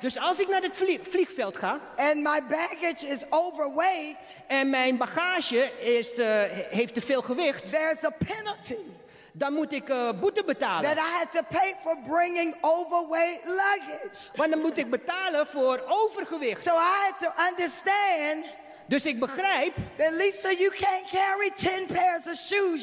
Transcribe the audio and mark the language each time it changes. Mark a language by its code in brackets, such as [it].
[nl] Dus als ik naar het vliegveld ga. [en] And my baggage is overweight. [nl] En mijn bagage is heeft te veel gewicht. [en] There's a penalty. [nl] Dan moet ik boete betalen. [en] That I had to pay for bringing overweight luggage. [nl] Want dan moet ik betalen voor overgewicht. [en] So I had to understand. [nl] Dus ik begrijp. [en] Then Lisa, you can't carry 10 pairs of shoes.